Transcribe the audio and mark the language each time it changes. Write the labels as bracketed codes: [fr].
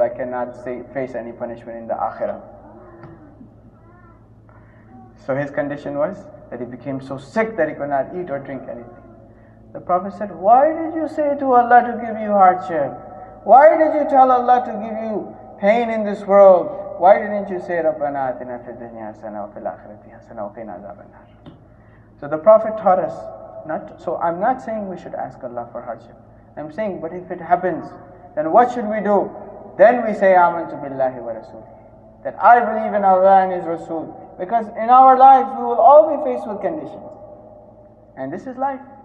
[en] I cannot face any punishment in the Akhirah. So his condition was that he became so sick that he could not eat or drink anything. The Prophet said, why did you say to Allah to give you hardship? Why did you tell Allah to give you pain in this world? Why didn't you say, [ar] رَبَّنَا أَتِنَا فِي الدُّنْيَا حَسَنَةً وَفِي الْآخِرَةِ حَسَنَةً وَقِنَا عَذَابَ النَّارِ. [en] So the Prophet taught us, so I'm not saying we should ask Allah for hardship. I'm saying, but if it happens, then what should we do? Then we say, [ar] آمَنْتُ بِاللَّهِ وَرَسُولِ, [en] that I believe in Allah and His Rasul. Because in our lives, we will all be faced with conditions. And this is life.